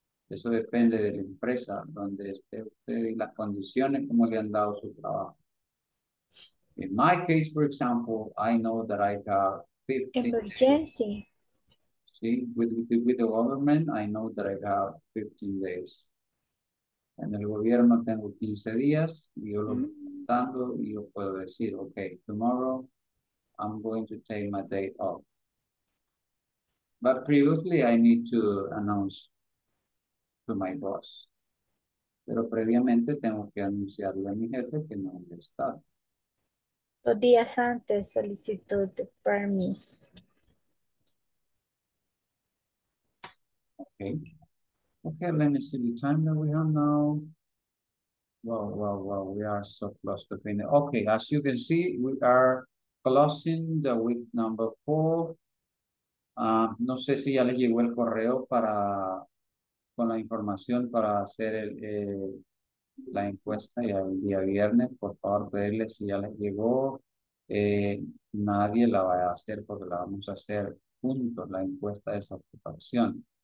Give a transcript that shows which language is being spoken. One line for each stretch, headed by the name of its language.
Spanish: Eso depende de la empresa donde esté usted y las condiciones como le han dado su trabajo.
English: In my case, for example, I know that I have 15 emergency. Days. See, with the government, I know that I have 15 days.
Spanish: En el gobierno tengo 15 días. Yo lo contando y yo puedo decir,
English: okay, tomorrow I'm going to take my day off. But previously, I need to announce my boss.
Spanish: Pero previamente tengo que anunciarle a mi jefe que no le está. Dos días antes solicitud de permiso.
English: Okay, let me see the time that we have now. Well, we are so close to finish. Okay, as you can see, we are closing the week number 4.
Spanish: No sé si ya le llegó el correo para con la información para hacer la encuesta y el día viernes, por favor, pedirle si ya les llegó. Nadie la va a hacer porque la vamos a hacer juntos, la encuesta de satisfacción.